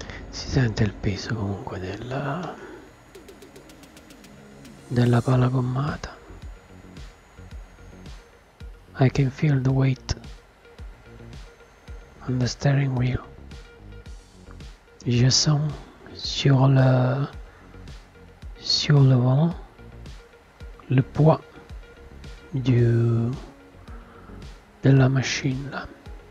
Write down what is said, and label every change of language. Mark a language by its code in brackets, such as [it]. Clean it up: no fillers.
[it] Si sente il peso comunque della pala gommata. [en] I can feel the weight on the steering wheel. [fr] Je sens sur le volant le poids della machine.